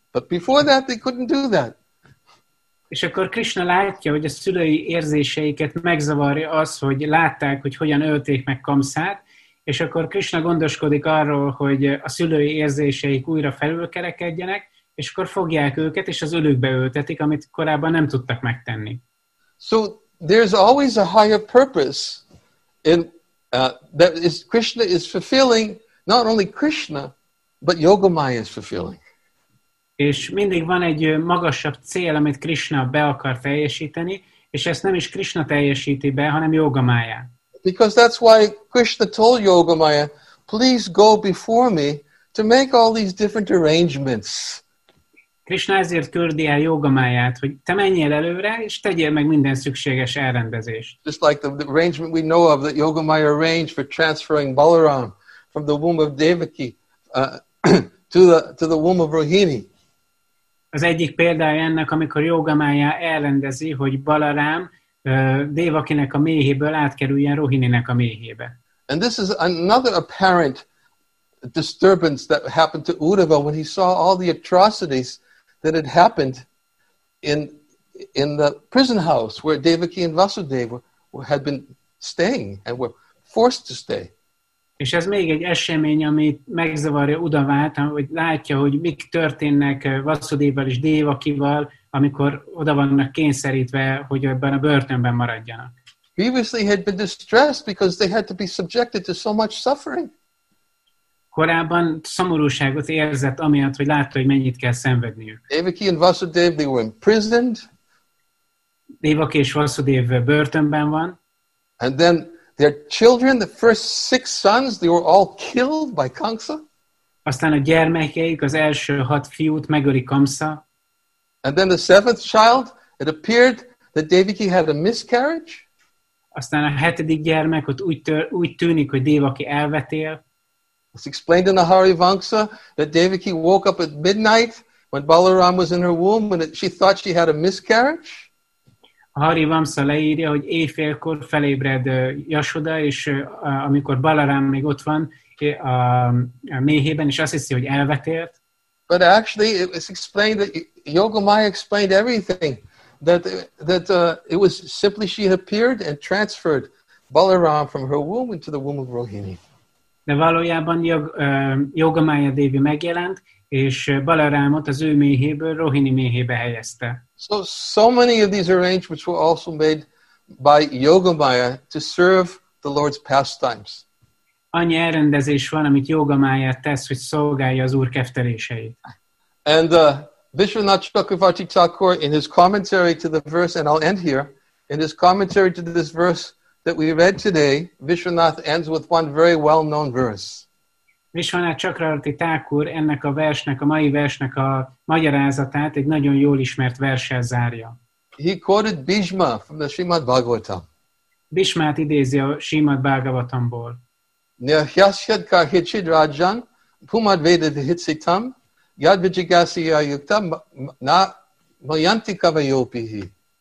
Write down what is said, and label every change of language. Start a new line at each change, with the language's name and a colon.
English: But before that, they couldn't do that.
Hungarian: És akkor Krishna látja, hogy a szülői érzéseiket megzavarja az, hogy látták, hogy hogyan ölték meg Kamsát. És akkor Krishna gondoskodik arról, hogy a szülői érzéseik újra felülkerekedjenek, és akkor fogják őket, és az ölükbe ültetik, amit korábban nem tudtak megtenni.
English: So there's always a higher purpose in that is Krishna is fulfilling, not only Krishna, but Yogamaya is fulfilling.
Hungarian: És mindig van egy magasabb cél, amit Krishna be akar teljesíteni, és ezt nem is Krishna teljesíti be, hanem Yogamaya.
English: Because that's why Krishna told Yogamaya, please go before me to make all these different arrangements.
Hungarian: Krishna ezért küldi el Yogamayát, hogy te menjél előre, és tegyél meg minden szükséges elrendezést.
English: Just like the arrangement we know of that Yogamaya arranged for transferring Balaram from the womb of Devaki to the womb of Rohini.
Hungarian: Az egyik példája ennek, amikor Yogamaya elrendezi, hogy Balaram Devakinek a méhéből átkerüljen Rohininek a méhébe.
English: And this is another apparent disturbance that happened to Uddhava when he saw all the atrocities that had happened in the prison house where Devaki and Vasudeva had been staying and were forced to stay.
Hungarian: És ez még egy esemény, ami megzavarja Uddhavát, hogy látja, hogy mik történnek Vasudevval és Devakival, amikor oda vannak kényszerítve, hogy ebben a börtönben maradjanak.
English: Previously had been distressed because they had to be subjected to so much suffering.
Hungarian: Korábban szomorúságot érzett amiatt, hogy látta, hogy mennyit kell szenvedniük.
English: Devaki and Vasudev, they were imprisoned.
Hungarian: Devaki és Vasudev börtönben van.
English: And then their children, the first six sons, they were all killed by Kamsa.
Hungarian: Aztán a gyermekeik, az első hat fiút megöli Kamsa.
English: And then the seventh child, it appeared that Devaki had a miscarriage.
Hungarian: Aztán a hetedik gyermek, ott úgy tűnik, hogy Devaki elvetél.
English: It's explained in the Harivamsa that Devaki woke up at midnight when Balaram was in her womb and she thought she had a miscarriage.
Hungarian: A Harivamsa leírja, hogy éjfélkor felébred Yashoda, és amikor Balaram még ott van a méhében, és azt hiszi, hogy elvetélt.
English: But actually, it was explained that Yogamaya explained everything. that it was simply she appeared and transferred Balaram from her womb into the womb of Rohini.
Hungarian: De valójában Yogamaya Devi megjelent, és Balarámot az ő méhéből Rohini méhébe helyezte.
English: So many of these arrangements were also made by Yogamaya to serve the Lord's pastimes.
Hungarian: Annyi elrendezés van, amit Yogamaya tesz, hogy szolgálja az Úr kefteléseit.
English: And Vishwanath Chakravarti Thakur, in his commentary to the verse, and I'll end here, in his commentary to this verse that we read today, Vishwanath ends with one very well-known verse.
Hungarian: Vishwanath Chakravarti Thakur ennek a versnek, a mai versnek a magyarázatát egy nagyon jól ismert verssel zárja.
English: He quoted Bhishma from the Srimad Bhagavatam.
Hungarian: Bhishmát idézi a Srimad Bhagavatamból.
Sanskrit: Nyahyasyad kahichid rajan, pumad vedad hitsitam, yad vijigasya yukta na mayanti kavayopihi.